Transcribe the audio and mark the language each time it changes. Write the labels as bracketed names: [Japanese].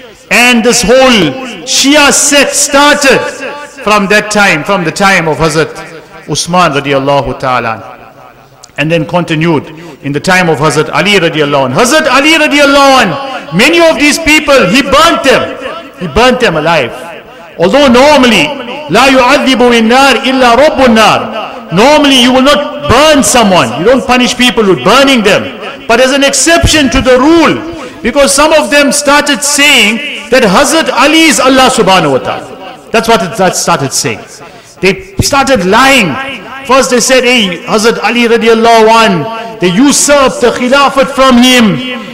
[English] And this whole Shia sect started from that time, from the time of Hazrat Usman radiallahu ta'ala. And then continued in the time of Hazrat Ali radiallahu anhu. Hazrat Ali radiallahu anhu, many of these people, he burnt them. He burnt them alive. Although normally, [Arabic] لا يعذب النار إلا رب النار. [English] Normally you will not burn someone. You don't punish people with burning them. But as an exception to the rule, because some of them started saying that Hazrat Ali is Allah subhanahu wa ta'ala. That's what it started saying. They started lying. First they said, hey, Hazrat Ali radiallahu anhu, they usurped the Khilafat from him.